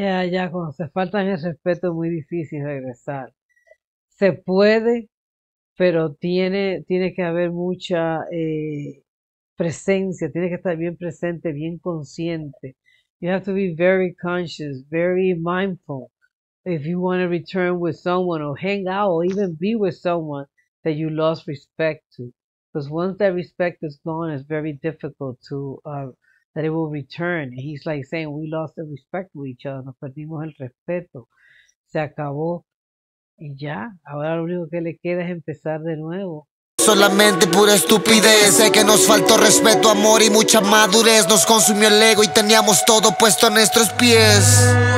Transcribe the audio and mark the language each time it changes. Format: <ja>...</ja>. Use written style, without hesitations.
<es>Ya, cuando se faltan el respeto es muy difícil regresar. Se puede, pero tiene que haber mucha presencia, tiene que estar bien presente, bien consciente.</es> <en>You have to be very conscious, very mindful if you want to return with someone or hang out or even be with someone that you lost respect to. Because once that respect is gone, it's very difficult to that it will return. He's like saying, we lost the respect to each other.</en> <es>Nos perdimos el respeto. Se acabó. Y ya, ahora lo único que le queda es empezar de nuevo. Solamente pura estupidez. Sé que nos faltó respeto, amor y mucha madurez. Nos consumió el ego y teníamos todo puesto a nuestros pies.</es>